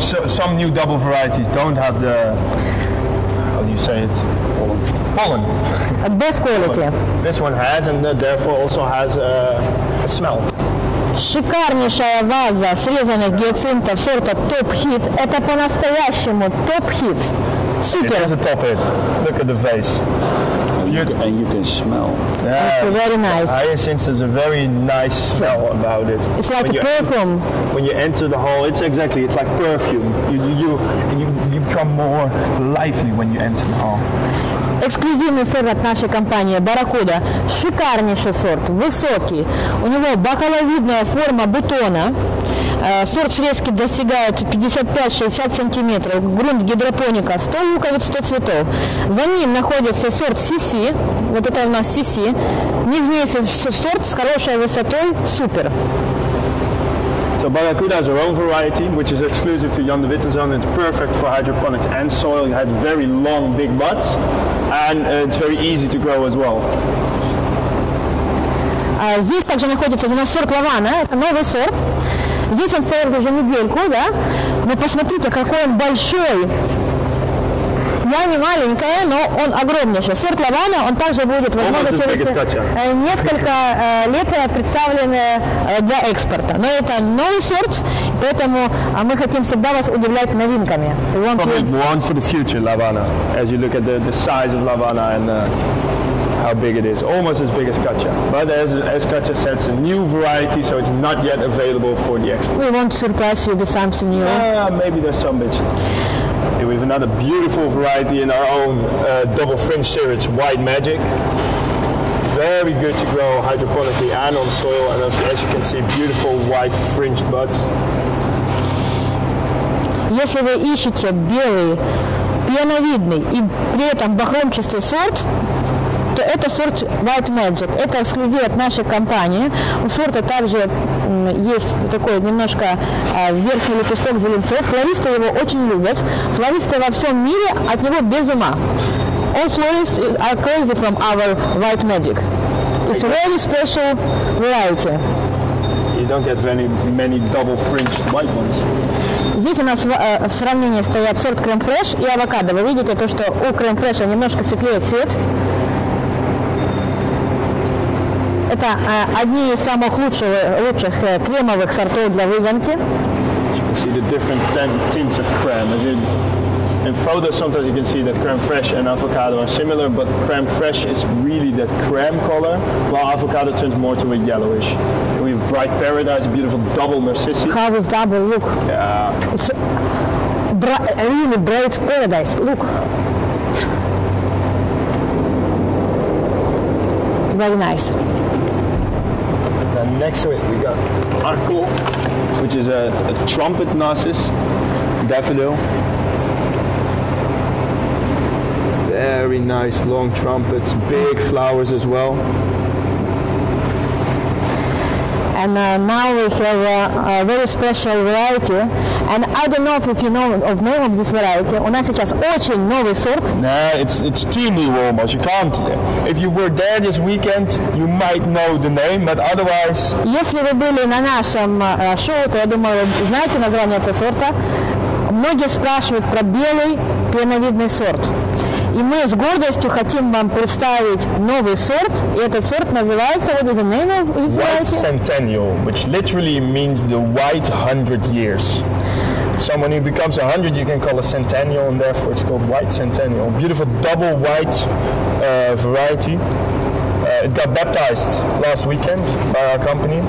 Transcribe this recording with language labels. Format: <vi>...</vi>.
<en>Some new double varieties don't have the, how do you say it? Pollen. At best quality. This one has, and therefore also has a smell.</en> <ru>Шикарнейшая ваза срезанных гиацинтов сорта Top Hit. Это по-настоящему Top Hit. Супер.</ru> <en>It is a Top Hit. Look at the vase. You can smell. Yeah. It's very nice. Hyacinths has a very nice smell about it. It's like when a perfume. When you enter the hall, it's exactly, it's like perfume. You become more lively when you enter the hall.</en> <ru>Эксклюзивный сорт от нашей компании Барракуда. Шикарнейший сорт, высокий. У него бокаловидная форма бутона. Сорт срезки достигает 55-60 сантиметров. Грунт гидропоника 100 луковиц, 100 цветов. За ним находится сорт CC. Вот это у нас CC. Нижний сорт с хорошей высотой. Супер.</ru> <en>So Barracuda has their own variety, which is exclusive to Jan de Wittenzone. It's perfect for hydroponics and soil. It has very long, big buds, and it's very easy to grow as well.</en> <ru>Здесь также находится у нас сорт Лавана. Это новый сорт. Здесь он стоит уже недельку, да? Но посмотрите, какой он большой. Я не маленькая, но он огромнейший. Сорт Лавана, он также будет, возможно, через несколько лет представлен для экспорта. Но это новый сорт, поэтому мы хотим всегда вас удивлять новинками.</ru> <en>Probably one for the future, Lavana, as you look at the size of Lavana and how big it is. Almost as big as Katja. But as Katja said, it's a new variety, so it's not yet available for the export. We won't surprise you with something new. Maybe there's some bitch. Here we have another beautiful variety in our own double fringe series, White Magic. Very good to grow hydroponically and on soil, and as you can see, beautiful white fringe buds.</en> <ru>Если вы ищете белый, пеновидный и при этом бахромчатый сорт, то это сорт White Magic. Это эксклюзив от нашей компании. У сорта также есть такой немножко верхний лепесток зеленцов. Флористы его очень любят. Флористы во всем мире от него без ума.</ru> <en>All florists are crazy from our White Magic. It's a really special variety. You don't get many double fringed white ones.</en> <ru>Здесь у нас в сравнении стоят сорт Крем Фреш и авокадо. Вы видите то, что у Крем Фреша немножко светлее цвет. Это одни из самых лучших кремовых сортов для выгонки.</ru> <en>You can see the different tints of creme. In photos sometimes you can see that creme fraiche and avocado are similar, but creme fraiche is really that creme color, while avocado turns more to a yellowish. And we have bright paradise, beautiful double narcissi. How is double look? Yeah. It's really bright paradise, look. Very nice. And then next to it we got Arco, which is a trumpet narcissus, daffodil. Very nice long trumpets, big flowers as well. And now we have a very special variety. And I don't know if you know of name of this variety.</en> <ru>У нас сейчас очень новый сорт.</ru> <en>Nah, it's too new almost. You can't. If you were there this weekend, you might know the name, but otherwise.</en> <ru>Если вы были на нашем шоу, то я думаю, вы знаете название этого сорта. Многие спрашивают про белый пеновидный сорт. И мы с гордостью хотим вам представить новый сорт. И этот сорт называется,</ru> <en>what is the name of this variety? White Centennial, which literally means the white 100 years. Someone who becomes 100, you can call a centennial, and therefore it's called White Centennial. Beautiful double white variety. It got baptized last weekend by our company.</en>